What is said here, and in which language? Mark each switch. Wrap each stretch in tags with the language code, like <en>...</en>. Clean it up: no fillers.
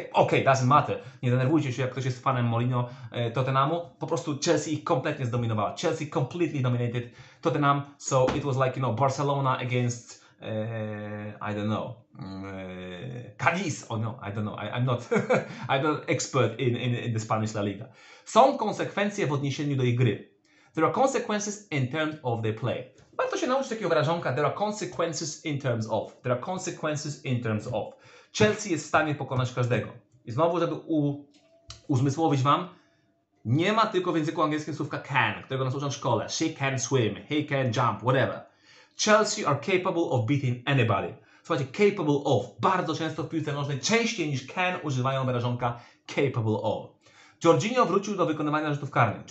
<en>Ok, doesn't matter,</en> <pl>nie denerwujcie się, jak ktoś jest fanem Mourinho Tottenhamu, po prostu Chelsea ich kompletnie zdominowała,</pl> <en>Chelsea completely dominated Tottenham, so it was like, you know, Barcelona against, I don't know, Cadiz, oh no, I don't know, I'm not expert in the Spanish La Liga.</en> <pl>Są konsekwencje w odniesieniu do ich gry.</pl> <en>There are consequences in terms of their play.</en> <pl>Warto się nauczyć takiego wyrażonka,</pl> <en>there are consequences in terms of.</en> <pl>Chelsea jest w stanie pokonać każdego. I znowu, żeby uzmysłowić Wam, nie ma tylko w języku angielskim słówka can, którego nas uczą w szkole.</pl> <en>She can swim, he can jump, whatever. Chelsea are capable of beating anybody.</en> <pl>Słuchajcie, capable of. Bardzo często w piłce nożnej, częściej niż can, używają wyrażonka capable of. Jorginho wrócił do wykonywania rzutów karnych.</pl>